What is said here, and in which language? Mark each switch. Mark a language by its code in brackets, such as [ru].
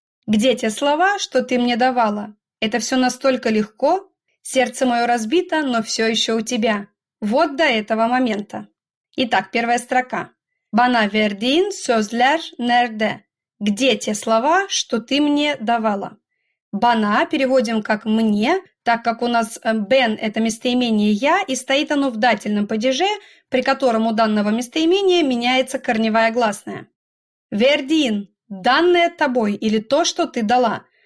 [ru] Где те слова, что ты мне давала? Это все настолько легко. Сердце мое разбито, но все еще у тебя. Вот до этого момента. Итак, первая строка. [tr] Bana verdiğin sözler nerede? [ru] Где те слова, что ты мне давала? Bana переводим как «мне», так как у нас «бен» – это местоимение «я», и стоит оно в дательном падеже, при котором у данного местоимения меняется корневая гласная. «Вердин» – данное тобой или то, что ты дала.